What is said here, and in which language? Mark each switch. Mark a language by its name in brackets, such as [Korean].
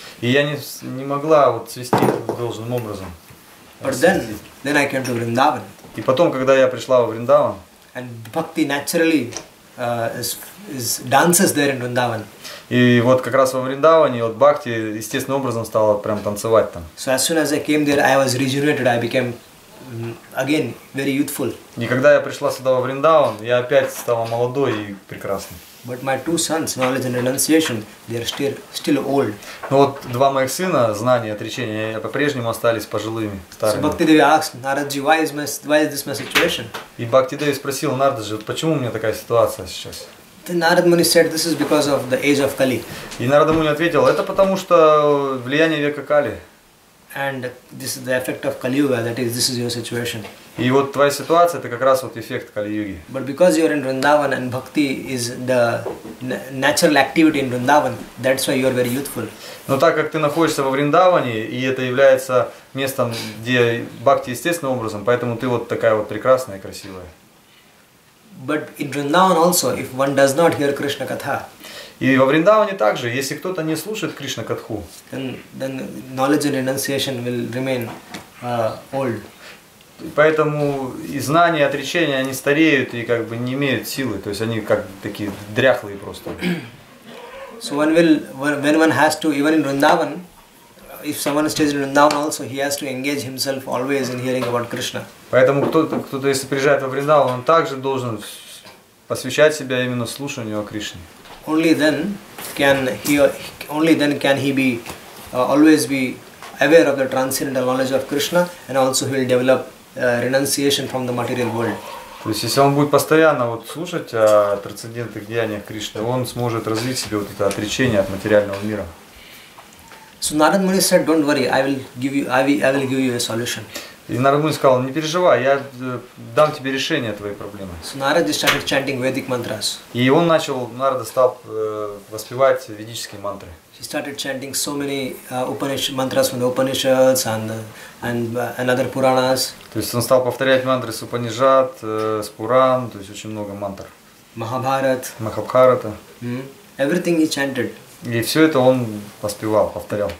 [Russian] И я не могла вот цвести должным образом. [English] But then I came to Vrindavan. [Russian] И потом, когда я пришла в Вриндаван. [English] And Bhakti naturally is dances there in Vrindavan. [Russian] И вот как раз во Вриндаване вот Бхакти естественным образом стала прям танцевать там. [English] So as soon as I came there, I was regenerated. I became again very youthful. [Russian] И когда я пришла сюда во Вриндаван, я опять стала молодой и прекрасной. [English] But my two sons, knowledge and renunciation, they are still old. [Russian] Но вот два моих сына, знание и отречение, я по-прежнему остались пожилыми, старыми. [English] So Bhakti Devi asked Naradji, why is this my situation? [Russian] И Бхакти Деви спросил Нараджи, вот почему у меня такая ситуация сейчас? [English] Then Narad Muni said, this is because of the age of Kali. [Russian] И Narad Muni ответил, это потому что влияние века Кали. [English] And this is the effect of Kali Yuga. That is, this is your situation. [Russian] И вот твоя ситуация — это как раз вот эффект Кали Юги. [English] But because you are in Vrindavan and Bhakti is the natural activity in Vrindavan, that's why you are very youthful. [Russian] Но так как ты находишься во Вриндаване и это является местом, где Бхакти естественным образом, поэтому ты вот такая вот прекрасная и красивая. [English] But in Vrindavan also, if one does not hear Krishna Katha. [Russian] И во Вриндаване также, если кто-то не слушает Кришна Катху, [English] then knowledge and renunciation will remain old. [Russian] Поэтому и знания, и отречения, они стареют и как бы не имеют силы, то есть они как такие дряхлые просто. [English] So when one has to, even in Vrindavan, if someone stays in Vrindavan also, he has to engage himself always in hearing about Krishna. [Russian] Поэтому кто-то, если приезжает во Вриндаван, он также должен посвящать себя именно слушанию о Кришне. [English] Only then can he always be aware of the transcendental knowledge of Krishna, and also he will develop renunciation from the material world. [Russian] То есть, если он будет постоянно вот слушать о трансцендентных деяниях Кришны, он сможет развить себе вот это отречение от материального мира. [English] So Narad Muni said, "Don't worry, I will give you a solution." [Russian] И Narad Muni сказал: "Не переживай, я дам тебе решение твоей проблемы." [English] So Narad started chanting Vedic mantras. [Russian] И он начал, Narad стал воспевать ведические мантры. [English] He started chanting so many Upanishad mantras from the Upanishads and other Puranas. [Russian] То есть он стал повторять мантры с Упанишад, с Пуран, то есть очень много мантр. Махабхарат. Махабхарата. [English] Everything he chanted. [Russian] И все это он воспевал, повторял.